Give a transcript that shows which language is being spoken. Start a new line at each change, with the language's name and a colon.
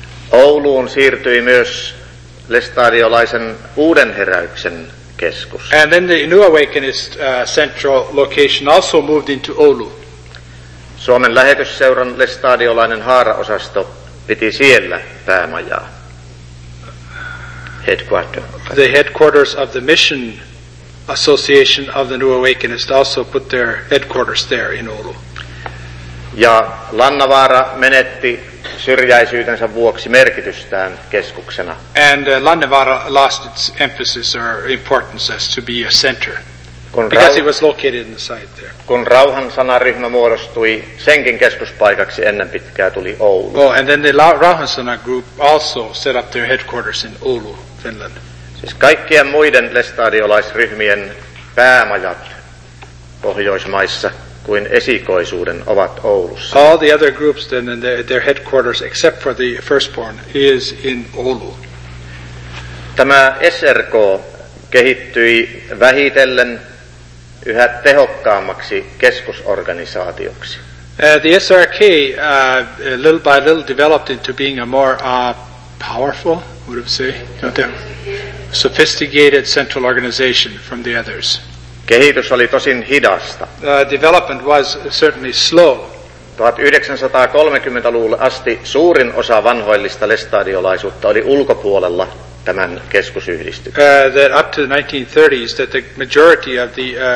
Finnish: Ouluun siirtyi myös lestadiolaisen uuden heräyksen keskus.
English: And then the New Awakenist central location also moved into Oulu.
Finnish: Suomen lähetysseuran lestadiolainen haaraosasto piti siellä päämajaa.
English: Headquarter. The headquarters of the mission Association of the New Awakenist also put their headquarters there in Oulu.
Finnish: Ja Lannavaara menetti syrjäisyytensä vuoksi merkitystään keskuksena.
English: And Lannavaara lost its emphasis or importance as to be a center. Because it was located in the site there.
Finnish: Kun rauhan sanaryhmä muodostui senkin keskuspaikaksi ennen pitkää tuli Oulu.
English: Oh, and then the rauhan sana group also set up their headquarters in Oulu, Finland.
Finnish: Siis kaikkien muiden lestadiolaisryhmien päämajat Pohjoismaissa kuin esikoisuuden ovat Oulussa.
English: All the other groups then and their headquarters except for the firstborn is in Oulu.
Finnish: Tämä SRK kehittyi vähitellen yhä tehokkaammaksi keskusorganisaatioksi.
English: The SRK little by little developed into being a more powerful would it say? Sophisticated central organization from the others.
Finnish: Kehitys oli tosin hidasta.
English: Development was certainly slow.
Finnish: 1930-luvulle asti suurin osa vanhoillista lestadiolaisuutta oli ulkopuolella tämän keskusyhdistyksen.
English: That up to the 1930s, that the majority of the